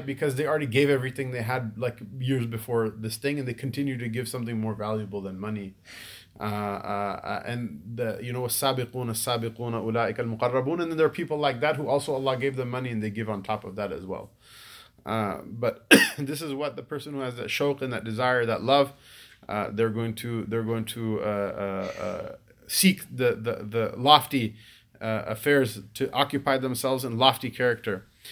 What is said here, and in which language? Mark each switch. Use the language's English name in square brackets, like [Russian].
[English] Because they already gave everything they had like years before this thing, and they continue to give something more valuable than money. [Arabic] السابقون السابقون أولئك المقربون. [English] And then there are people like that who also Allah gave them money, and they give on top of that as well. But this is what the person who has that shauq and that desire, that love, they're going to seek the lofty affairs to occupy themselves in lofty character.